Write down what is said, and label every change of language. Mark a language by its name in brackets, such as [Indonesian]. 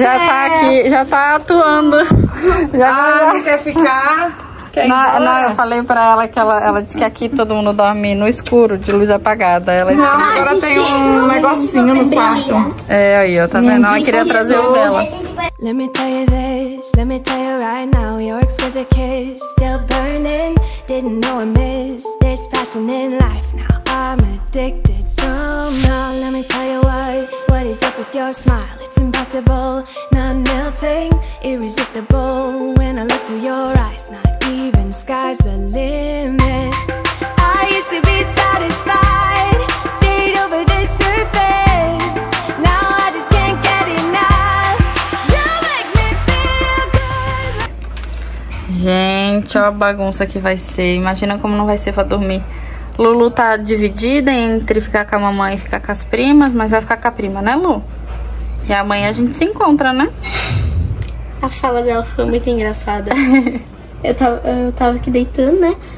[Portuguese] Já tá aqui, já tá atuando. Já ah, não quer ficar? Não, eu falei pra ela que ela disse que aqui todo mundo dorme no escuro, de luz apagada. Ela disse não, agora tem um negocinho no quarto. É, aí, eu também não. Ela queria trazer o dela. [English] Let me tell you this, let me tell you right now. Your exquisite kiss still burning. Didn't know I missed this passion in life. Now I'm addicted somehow. Let me your smile, it's impossible, not melting, irresistible. When I look through your eyes, not even sky's the limit. I used to be satisfied, stayed over the surface. Now I just can't get enough. You make me feel good. [Portuguese] Gente, olha a bagunça que vai ser. Imagina como não vai ser pra dormir. Lulu tá dividida entre ficar com a mamãe e ficar com as primas, mas vai ficar com a prima, né, Lu? E amanhã a gente se encontra, né? A fala dela foi muito engraçada. Eu tava aqui deitando, né?